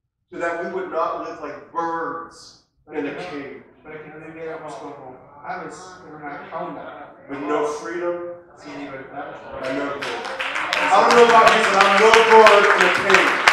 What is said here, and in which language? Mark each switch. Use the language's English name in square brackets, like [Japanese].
[English] So that we would not live like birds in a cage. [Spanish] Para que no viviéramos como aves en una jaula. [English] With no freedom. [Spanish] Sin libertad. [English] And no hope. I don't know about you, but I'm no more in a cage.